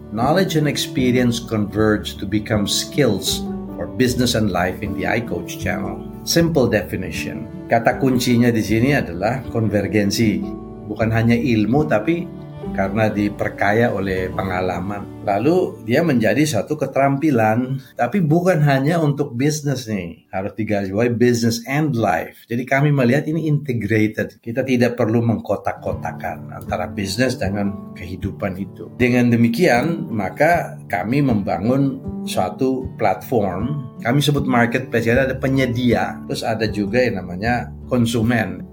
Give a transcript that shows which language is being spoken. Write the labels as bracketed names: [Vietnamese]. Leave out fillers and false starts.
[English] Knowledge and experience converge to become skills for business and life in the iCoach Channel. Simple definition. [Indonesian] Kata kuncinya di sini adalah konvergensi. Bukan hanya ilmu, tapi karena diperkaya oleh pengalaman. Lalu dia menjadi satu keterampilan, tapi bukan hanya untuk bisnis nih. Harus digarisbawahi [English] business and life. [Indonesian] Jadi kami melihat ini integrated. Kita tidak perlu mengkotak-kotakan antara bisnis dengan kehidupan itu. Dengan demikian, maka kami membangun suatu platform. Kami sebut marketplace, ada penyedia. Terus ada juga yang namanya konsumen.